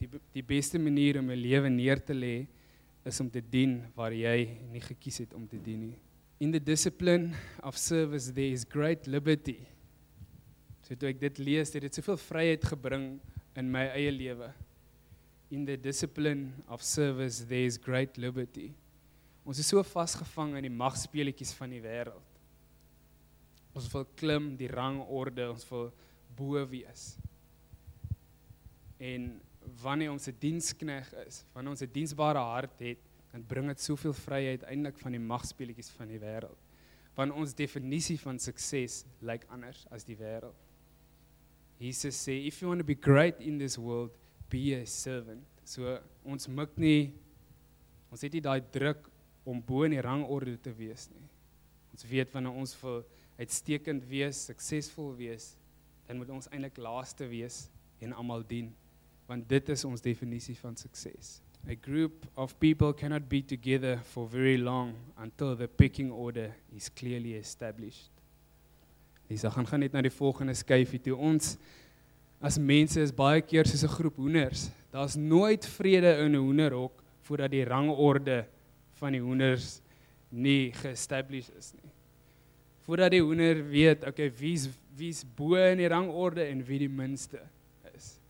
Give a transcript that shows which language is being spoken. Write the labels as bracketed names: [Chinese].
[Afrikaans] Die beste manier om jou lewe neer te lê, is om te dien waar jy nie gekies het om te dien nie. [English] In the discipline of service, there is great liberty. [Afrikaans] So toe ek dit lees, het soveel vryheid gebring in my eie lewe. [English] In the discipline of service, there is great liberty. [Afrikaans] Ons is so vasgevang in die magspeletjies van die wêreld. Ons wil klim die rangorde, ons wil bo wees. En wanneer ons 'n dienskneg is, wanneer ons 'n diensbare hart het, dan bring dit soveel vryheid eintlik van die magspeletjies van die wêreld. Want ons definisie van sukses lyk anders as die wêreld. Jesus sê, [English] if you want to be great in this world, be a servant. [Afrikaans] So ons mik nie, ons het nie daai druk om bo in die rangorde te wees nie. Ons weet wanneer ons wil uitstekend wees, suksesvol wees, dan moet ons eintlik laaste wees en almal dien. Want dit is ons definisie van sukses. [English] A group of people cannot be together for very long until the pecking order is clearly established. [Afrikaans] Dis, ek gaan net na die volgende skyfie toe. Ons as mense is baie keer soos 'n groep hoenders. Daar's nooit vrede in 'n hoenderhok voordat die rangorde van die hoenders nie ge-establish is nie. Voordat die hoender weet, okay, wie's bo in die rangorde en wie die minste is.